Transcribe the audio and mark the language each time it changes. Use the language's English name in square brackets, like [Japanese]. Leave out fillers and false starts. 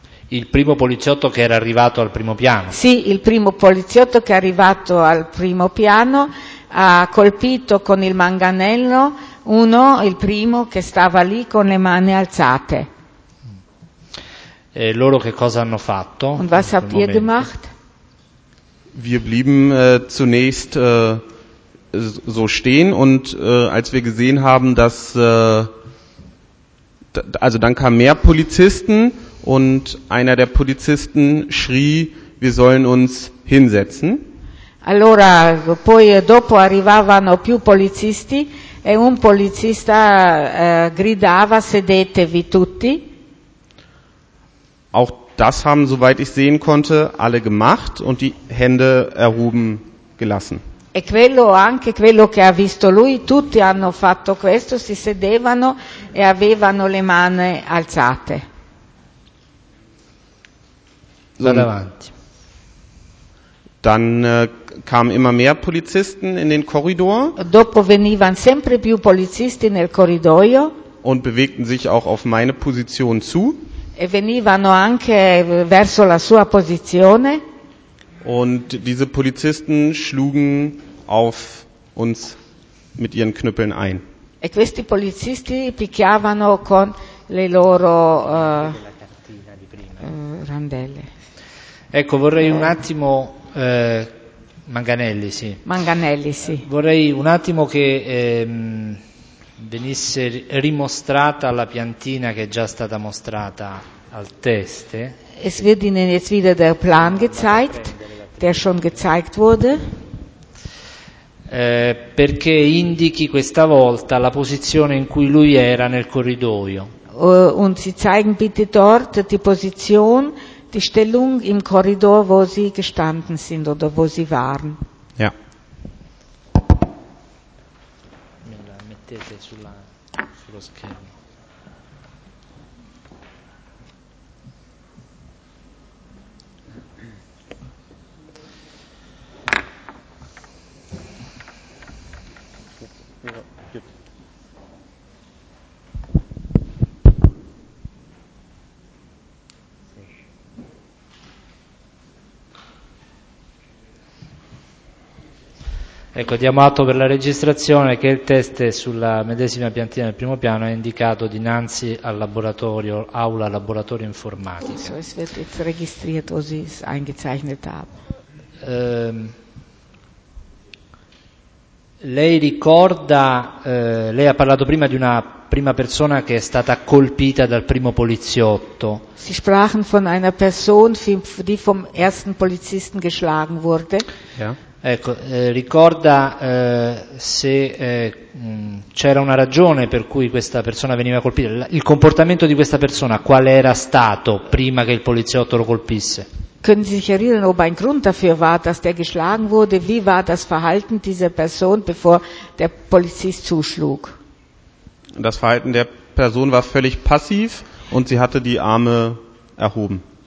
[Italian] Il primo poliziotto che era arrivato al primo piano. Sì, il primo poliziotto che è arrivato al primo piano ha colpito con il manganello uno, il primo, che stava lì con le mani alzate. E loro che cosa hanno fatto? [German] Und was habt ihr gemacht? Wir blieben zunächst so stehen und als wir gesehen haben, dass also dann kamen mehr Polizisten und einer der Polizisten schrie, wir sollen uns hinsetzen. [Italian] Allora, poi dopo arrivavano più polizisti e un polizista gridava, sedetevi tutti. [German] Auch das haben, soweit ich sehen konnte, alle gemacht und die Hände erhoben gelassen. [Italian] E quello, anche quello che ha visto lui, tutti hanno fatto questo, si sedevano e avevano le mani alzate. [German] Dann, avanti. Dann kamen immer mehr Polizisten in den Korridor. [Italian] Dopo venivano sempre più polizisti nel corridoio. [German] Und bewegten sich auch auf meine Position zu. [Italian] E venivano anche verso la sua posizione. [German] Und diese Polizisten schlugen auf uns mit ihren Knüppeln ein. [Italian] E questi polizisti picchiavano con le loro randelle. Ecco, vorrei un attimo Manganelli, sì. Manganelli, sì. Vorrei un attimo che venisse rimostrata la piantina che è già stata mostrata al teste. [German] Es wird Ihnen jetzt wieder der Plan gezeigt, der schon gezeigt wurde. [Italian] Perché indichi questa volta la posizione in cui lui era nel corridoio. [German] Und Sie zeigen bitte dort die Position, die Stellung im Korridor, wo Sie gestanden sind oder wo Sie waren. Ja. [Italian] Me la mettete sulla, sullo schermo. Ecco, diamo atto per la registrazione che il test è sulla medesima piantina del primo piano è indicato dinanzi al laboratorio, aula laboratorio informatico. [German] Es wird jetzt registriert, wo Sie es eingezeichnet haben. [Italian] Lei ricorda, lei ha parlato prima di una prima persona che è stata colpita dal primo poliziotto. [German] Sie sprachen von einer Person, die vom ersten Polizisten geschlagen wurde. Ja. [Italian] Ecco, ricorda se c'era una ragione per cui questa persona veniva colpita. Il comportamento di questa persona, qual era stato prima che il poliziotto lo colpisse? [German] Können Sie sich erinnern, ob ein Grund dafür war, dass der geschlagen wurde? Wie war das Verhalten dieser Person, bevor der Polizist zuschlug? Das Verhalten der Person war völlig passiv und sie hatte die Arme erhoben.